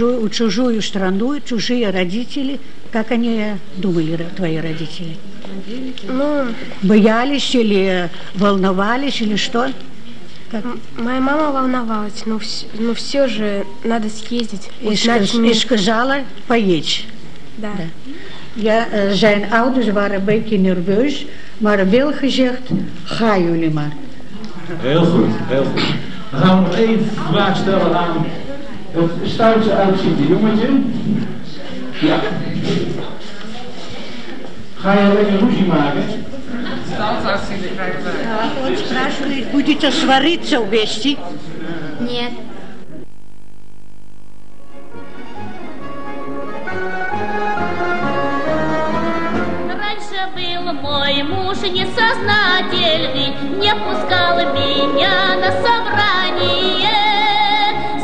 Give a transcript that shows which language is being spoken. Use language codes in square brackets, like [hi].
[ru] Чужую страну, чужие родители. Как они думали, твои родители? Боялись или волновались или что? Моя мама волновалась, но все же надо съездить. И сказала поесть. Да. [nl] Ja, zijn ouders waren een beetje nerveus, maar wel gezegd, ga jullie maar. Heel goed, heel goed. Dan gaan we nog één vraag stellen aan het stoutste uitziende jongetje. Ja. Ga je alleen een ruzie maken? [ru] Будет это свариться вместе? Нет. Раньше был мой муж несознательный, не пускал меня на собрание.